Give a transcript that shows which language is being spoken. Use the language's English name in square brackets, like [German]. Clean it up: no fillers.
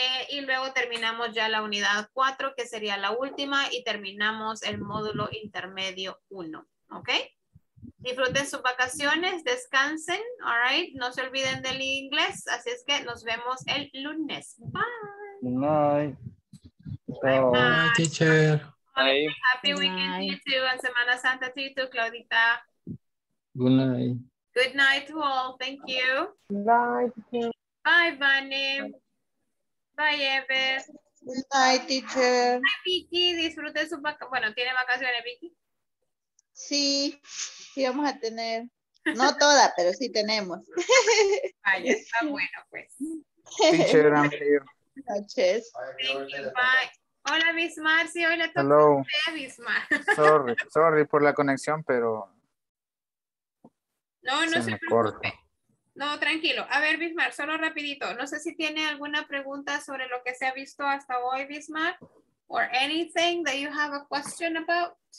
[Spanish] Y luego terminamos ya la unidad 4, que sería la última, y terminamos el módulo intermedio 1, ¿ok? Disfruten sus vacaciones, descansen, all right? No se olviden del inglés, así es que nos vemos el lunes. [English] Bye. Night. Bye. Bye. Bye, teacher. Bye. Happy weekend to you, and Semana Santa to you too, Claudita. Good night. Good night to all, thank you. Bye. Bye, Vani. Bye, Ever. Good night, teacher. [Spanish] Bye, Vicky. Disfrute su vacaciones. Bueno, ¿tiene vacaciones, Vicky? Sí, sí vamos a tener. No toda, pero sí tenemos. Ay, está bueno, pues. [English] Teacher, amigo. [Spanish] Noches. [English] Thank you, bye. [Spanish] Hola, Bismar. Sí, hoy le toca a usted, Bismar. Sorry por la conexión, pero... No se preocupe. Corta. No, tranquilo. A ver, Bismar, solo rapidito. No sé si tiene alguna pregunta sobre lo que se ha visto hasta hoy, Bismar. [English] Or anything that you have a question about.